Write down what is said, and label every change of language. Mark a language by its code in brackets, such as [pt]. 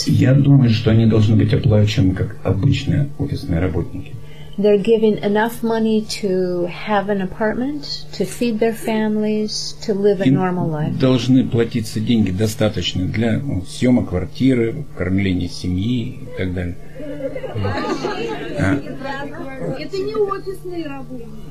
[ru] Я думаю, что они должны быть оплачены как обычные офисные работники. [en] They're given enough money to have an apartment, to feed their families, to live a normal life. [ru] Должны платиться деньги достаточные для съема квартиры, кормления семьи и так далее. Это не офисные работники.